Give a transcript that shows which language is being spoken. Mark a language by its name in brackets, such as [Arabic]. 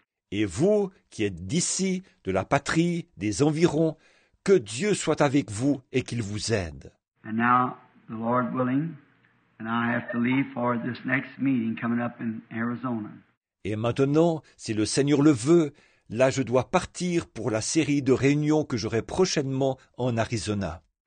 [French] Et vous qui êtes d'ici, de la patrie, des environs, que Dieu soit avec vous et qu'il vous aide. [English] And now, the Lord willing, and I have to leave for this next meeting coming up in Arizona. [French] Et maintenant, si le Seigneur le veut, là je dois partir pour la série de réunions que j'aurai prochainement en Arizona.